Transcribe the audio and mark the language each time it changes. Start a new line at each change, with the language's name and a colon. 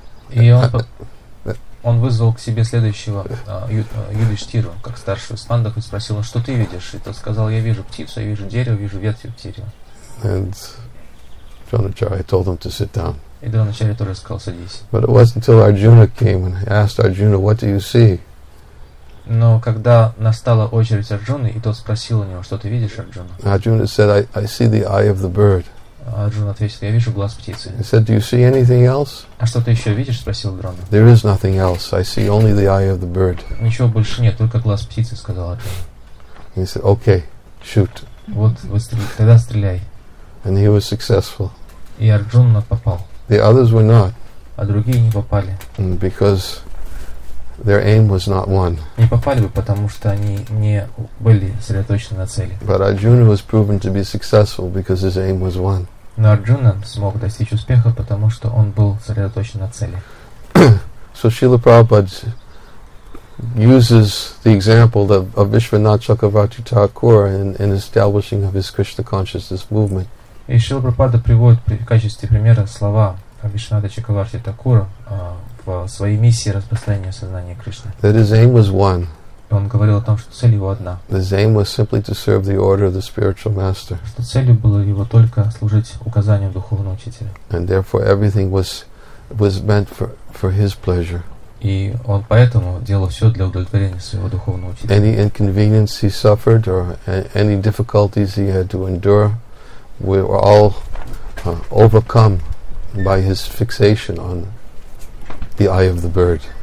Russian: И он вызвал к себе следующего Юдиштиру, как старшего из пандов, и спросил, что ты видишь? И тот сказал, я вижу птицу, я вижу дерево, вижу ветви в дереве.
English: And Dronacharya told him to sit down.
Russian: И Дроначарья тоже сказал, садись.
English: But it wasn't until Arjuna came and asked Arjuna, what do you see?
Russian: Но когда настала очередь Арджуны, и тот спросил у него, что ты видишь, Арджуна?
English: Arjuna said, I see the eye of the bird.
Russian: Арджуна ответил, я вижу глаз птицы.
English: He said, do you see anything else?
Russian: А что ты еще видишь? Спросил Дрона.
English: There is nothing else. I see only the eye of the bird.
Russian: Ничего больше нет, только глаз птицы, сказал Арджуна.
English: He said, okay, shoot.
Russian: Вот, тогда стреляй.
English: And he was successful.
Russian: И Арджуна попал.
English: The others were not.
Russian: А другие не попали.
English: Because their aim was not one.
Russian: Не попали бы, потому что они не были сосредоточены на цели.
English: But Arjuna was proven to be successful because his aim was one.
Russian: Но Арджуна смог достичь успеха, потому что он был сосредоточен на цели.
English: So Srila Prabhupada uses the example of Vishwanath Chakravarti Thakur in establishing of his Krishna consciousness movement.
Russian: И Шрила Прабхупада приводит в качестве примера слова Вишванатха Чакраварти Такура в своей миссии распространения сознания Кришны.
English: That his aim was one.
Russian: Он говорил о том, что цель его одна.
English: His aim was simply to serve the order of the spiritual master.
Russian: Что целью было его только служить указанию духовного учителя.
English: And therefore everything was meant for his pleasure.
Russian: И он поэтому делал все для удовлетворения своего духовного учителя.
English: Any inconvenience he suffered or any difficulties he had to endure were all overcome by his fixation on the eye of the bird.